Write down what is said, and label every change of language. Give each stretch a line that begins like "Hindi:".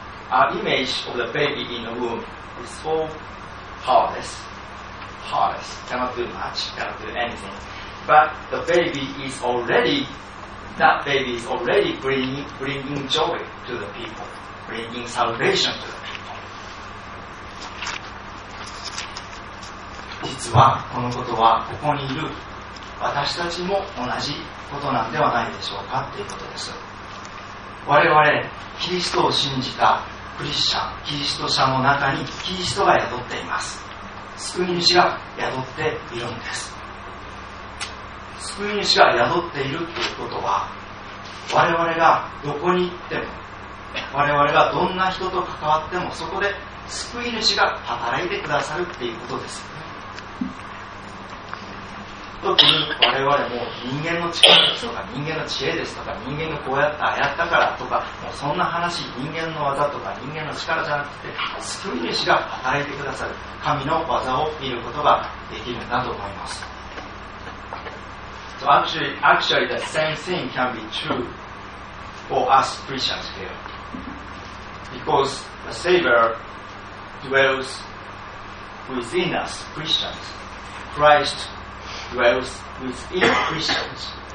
English: Our image of the baby in the womb is so powerless. Powerless, cannot do much, cannot do anything. But the baby is already, that baby is already bringing joy to the people, bringing salvation to the people.
Japanese: 実はこのことはここにいる私たちも同じことなんではないでしょうかということです。我々キリストを信じたクリスチャン、キリスト者の中にキリストが宿っています。救い主が宿っているんです。救い主が宿っているということは、我々がどこに行っても、我々がどんな人と関わっても、そこで救い主が働いてくださるということです。特に我々も人間の力ですとか、人間の知恵ですとか、人間がこうやったああやったからとか、もうそんな話、人間の技とか人間の力じゃなくて、救い主が働いてくださる神の技を見ることができるんだと思います。
English: So actually the same thing can be true for us Christians here, because the Savior dwells within us Christians. ChristDwells within Christians.